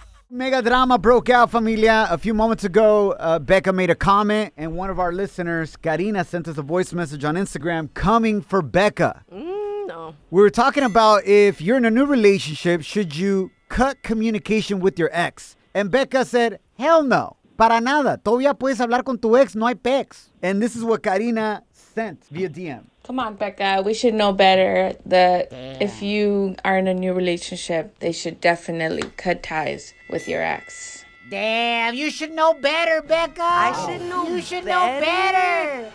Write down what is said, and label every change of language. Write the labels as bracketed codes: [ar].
[en] Mega drama broke out, familia. A few moments ago, Becca made a comment, and one of our listeners, Karina, sent us a voice message on Instagram coming for Becca. No. We were talking about if you're in a new relationship, should you cut communication with your ex? And Becca said, hell no. [es] Para nada. Todavía puedes hablar con tu ex. No hay pex. [en] And this is what Karina sent via DM. Come on, Becca. We should know better that if you are in a new relationship, they should definitely cut ties with your ex. Damn, you should know better, Becca. I should know better. You should know better.